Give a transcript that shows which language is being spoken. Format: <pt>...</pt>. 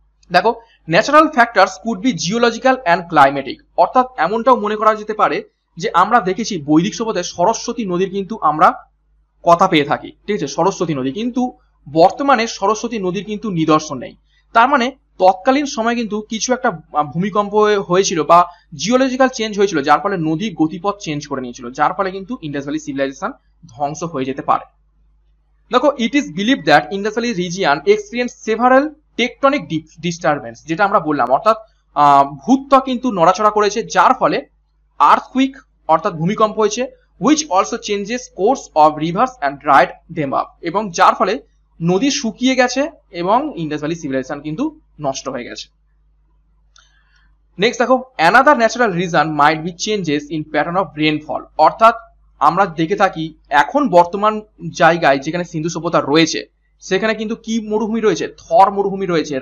<bn>দেখো,</bn> <en>natural factors could be geological and climatic,</en> <bn>অর্থাৎ এমনটাও মনে করা যেতে পারে যে আমরা দেখেছি বৈদিক সভ্যতায় সরস্বতী নদীর কিন্তু আমরা কথা পেয়ে থাকি, ঠিক আছে, সরস্বতী নদী, কিন্তু বর্তমানে সরস্বতী নদীর কিন্তু নিদর্শন নেই, তার মানে তৎকালীন সময় কিন্তু কিছু একটা ভূমিকম্প হয়েছিল বা জিওলজিক্যাল চেঞ্জ হয়েছিল যার ফলে নদী গতিপথ চেঞ্জ করে নিয়েছিল, যার ফলে কিন্তু ইন্ডাস ভ্যালি সিভিলাইজেশন ধ্বংস হয়ে যেতে পারে। দেখো,</bn> <en>it is believe that Indus valley region experience several tectonic disturbance,</en> <bn>যেটা আমরা বললাম, অর্থাৎ ভূত্বক কিন্তু নড়াচড়া করেছে যার ফলে আর্থকুইক, অর্থাৎ ভূমিকম্প হয়েছে,</bn> <en>which also changes course of rivers and dried them up.</en> <bn>এবং যার ফলে নদী শুকিয়ে গেছে এবং ইন্ডাস ভ্যালি সিভিলাইজেশন কিন্তু নষ্ট হয়ে গেছে.</bn> <en>Next দেখো, another natural reason might be changes in pattern of rainfall.</en> <bn>অর্থাৎ আমরা দেখে থাকি এখন বর্তমান জায়গায় যেখানে সিন্ধু সভ্যতা রয়েছে সেখানে কিন্তু কি মরুভূমি রয়েছে, থর মরুভূমি রয়েছে.</bn>